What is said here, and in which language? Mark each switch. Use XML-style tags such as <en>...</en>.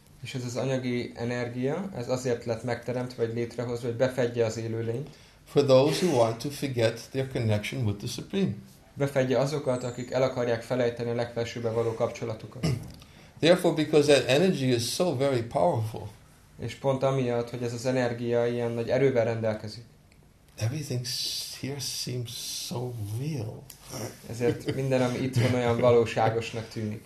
<hu>És ez az anyagi energia, ez azért lett megteremtve vagy létrehozva, hogy befedje az élőlényt.</hu> <en>For those who want to forget their connection with the Supreme.</en> <hu>Befedje azokat, akik el akarják felejteni a legfelsőbe való kapcsolatukat.</hu> <en>Therefore, because that energy is so very powerful.</en> <hu>És pont amiatt, hogy ez az energia ilyen nagy erővel rendelkezik.</hu> <en>Everything here seems so real.</en> <hu>Ezért minden, ami itt van, olyan valóságosnak tűnik.</hu>